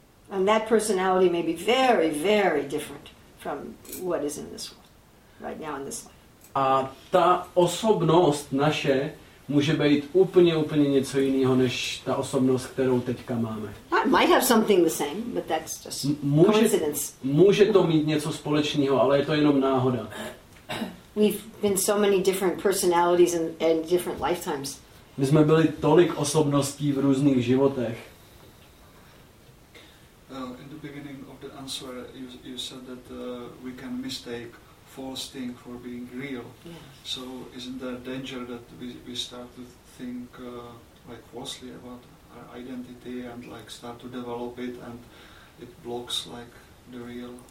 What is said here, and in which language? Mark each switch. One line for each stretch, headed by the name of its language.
English: And that personality may be very, very different from what is in this world, right now in this life.
Czech: A ta osobnost naše může být úplně, úplně něco jiného, než ta osobnost, kterou teďka máme.
English: I might have something the same, but that's just coincidence.
Czech: Může to mít něco společného, ale je to jenom náhoda.
English: We've been so many different personalities in different lifetimes.
Czech: My jsme byli tolik osobností v různých životech.
English: In the beginning of the answer, you said that we can mistake false thing for being real. Yeah. So isn't there a danger that we start to think like falsely about our identity and like start to develop it and it blocks like the real?